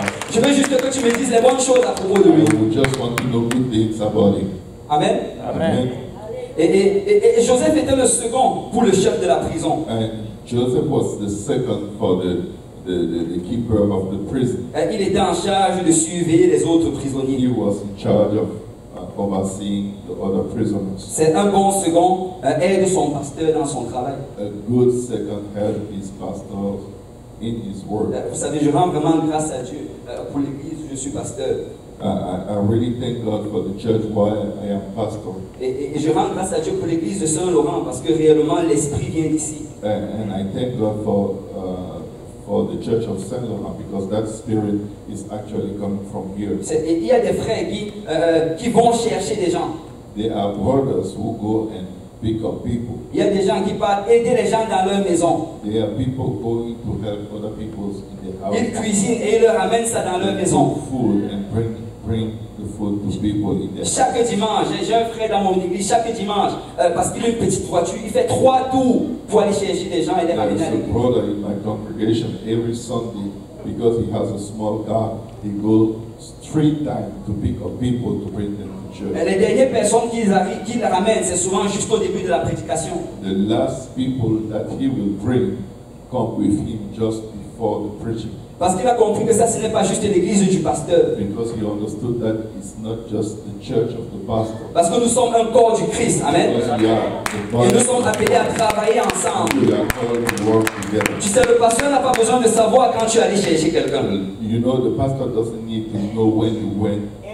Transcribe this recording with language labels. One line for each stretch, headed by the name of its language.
French: Je veux juste que tu me dises les bonnes choses à propos de lui.
English: I just want to know good things about him.
French: Amen.
English: Amen.
French: Et Joseph était le second pour le chef de la prison.
English: And Joseph was the second for the the keeper of the prison.
French: Il était en charge de surveiller les autres prisonniers.
English: He was in charge of overseeing the other prisoners.
French: C'est un bon second aide son pasteur dans son travail.
English: A good second helped his pastor in his work.
French: Vous savez, je rends vraiment grâce à Dieu pour l'église où je suis pasteur.
English: I really thank God for the church while I am pastor.
French: Et je rends grâce à Dieu pour l'église de Saint-Laurent parce que réellement l'esprit vient d'ici.
English: And I thank God for the church of Saint-Laurent because that spirit is actually coming from here.
French: Et il y a des frères qui vont chercher des gens.
English: There are brothers who go and pick up people.
French: Il y a des gens qui partent aider les gens dans leur maison.
English: There are people going to help other people in their house.
French: Ils cuisinent et ils leur amènent ça dans leur maison.
English: Food and bring the food to people in their house.
French: Chaque dimanche, j'ai un frère dans mon église, chaque dimanche, parce qu'il a une petite voiture, il fait trois tours pour aller chercher des gens et les ramener à l'église.
English: A brother in my congregation, every Sunday, because he has a small car, he goes three times to pick up people to bring them.
French: Les dernières personnes qu'il ramène, c'est souvent juste au début de la prédication.
English: The last people that he will bring come with him just before the preaching.
French: Parce qu'il a compris que ça, ce n'est pas juste l'église du pasteur.
English: Because he understood that it's not just the church of the pastor.
French: Parce que nous sommes un corps du Christ, amen. Et nous sommes appelés à travailler ensemble.
English: We are called to work together.
French: Tu sais, le pasteur n'a pas besoin de savoir quand tu allais chercher quelqu'un.
English: You know, the pastor doesn't need to know when you went.